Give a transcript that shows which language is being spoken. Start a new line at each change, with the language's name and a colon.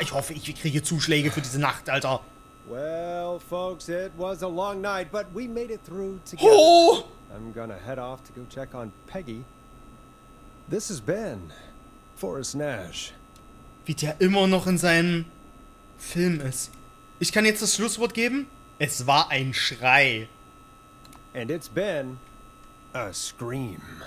German: Ich hoffe, ich kriege Zuschläge für diese Nacht, Alter.
English: Well, folks, it was a long night, but we made it through together. Oh. I'm gonna head off to go check on Peggy. This is Ben, Forrest Nash.
German: Wie der immer noch in seinen Film ist. Ich kann jetzt das Schlusswort geben? Es war ein Schrei.
English: And it's been a scream.